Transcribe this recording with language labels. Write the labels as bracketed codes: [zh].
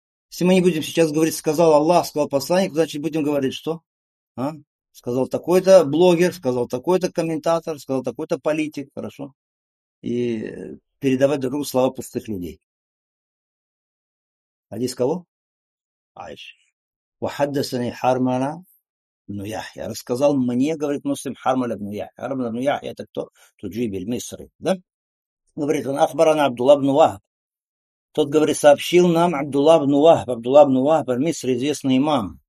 [ru] Если мы не будем сейчас говорить, сказал Аллах, сказал посланник, значит будем говорить что? А? Сказал такой-то блогер, сказал такой-то комментатор, сказал такой-то политик, хорошо? И передавать друг другу слова пустых людей. Хадис кого? Аиш. [ar] وحدثني حرملة بن يحيى [ru] рассказал мне, говорит Муслим, [ar] حرملة بن يحيى. [ru] حرملة بن يحيى это кто? Туджиби аль-Мисри, да? Говорит он, [ar] أخبرنا عبد الله بن وهب. [ru] Тот говорит, сообщил нам [ar] عبد الله بن وهب [ru] аль-Мисри, известный имам.